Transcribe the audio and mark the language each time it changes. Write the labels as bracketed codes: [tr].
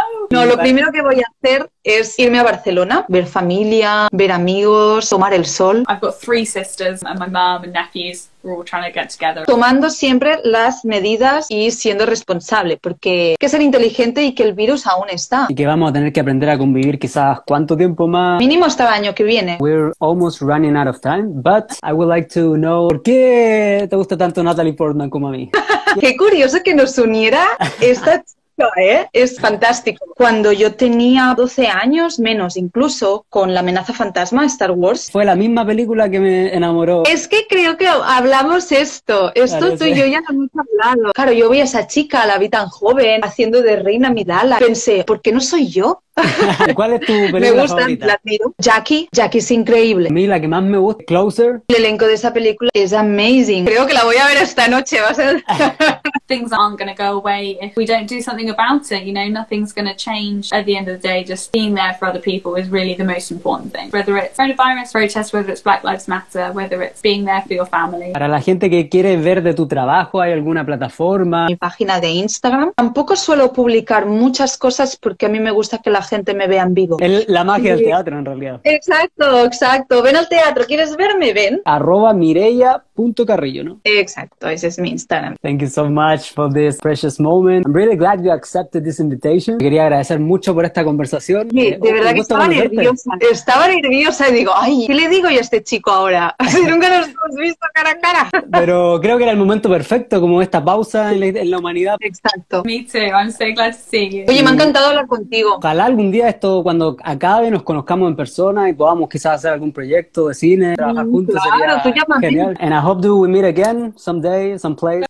[es] No, lo primero que voy a hacer es irme a Barcelona, ver familia, ver amigos, tomar el sol. [en] I've got three sisters and my mom and nephews. We're all trying to get together. [es] Tomando siempre las medidas y siendo responsable, porque hay que ser inteligente y que el virus aún está. Y que vamos a tener que aprender a convivir quizás cuánto tiempo más. Mínimo hasta el año que viene. [en] We're almost running out of time, but I would like to know, [es] ¿por qué te gusta tanto Natalie Portman como a mí? Qué curioso que nos uniera esta... Es fantástico. Cuando yo tenía 12 años, menos incluso, con La amenaza fantasma, Star Wars. Fue la misma película que me enamoró. Es que creo que hablamos esto. Esto claro, tú sí. Y yo ya lo hemos hablado. Claro, yo vi a esa chica, la vi tan joven, haciendo de Reina Amidala. Pensé, ¿por qué no soy yo? ¿Cuál es tu película? Me gustan, la admiro. Jackie es increíble. A mí la que más me gusta, Closer. El elenco de esa película es amazing. Creo que la voy a ver esta noche, va a ser. [en] Things aren't going to go away if we don't do something about it. You know, nothing's going to change at the end of the day. Just being there for other people is really the most important thing. Whether it's coronavirus protests, whether it's Black Lives Matter, whether it's being there for your family. [es] Para la gente que quiere ver de tu trabajo, ¿hay alguna plataforma? Mi página de Instagram. Tampoco suelo publicar muchas cosas porque a mí me gusta que la gente me vea en vivo. La magia del teatro, en realidad. Exacto, exacto. Ven al teatro. ¿Quieres verme? Ven. @mireya.carrillo, ¿no? Exacto. Ese es mi Instagram. [en] Thank you so much for this precious moment. I'm really glad you accepted this invitation. [es] Quería agradecer mucho por esta conversación. Sí, de verdad que estaba nerviosa y digo, ay, ¿qué le digo yo a este chico ahora? Así nunca nos hemos visto cara a cara. Pero creo que era el momento perfecto, como esta pausa en la humanidad. Exacto. [en] Me too. I'm so glad to see you. [es] Oye, me ha encantado hablar contigo. Ojalá algún día esto, cuando acabe, nos conozcamos en persona y podamos quizás hacer algún proyecto de cine, trabajar juntos. Claro, tú llamas genial. A mí. [en] And I hope do we meet again someday, someplace.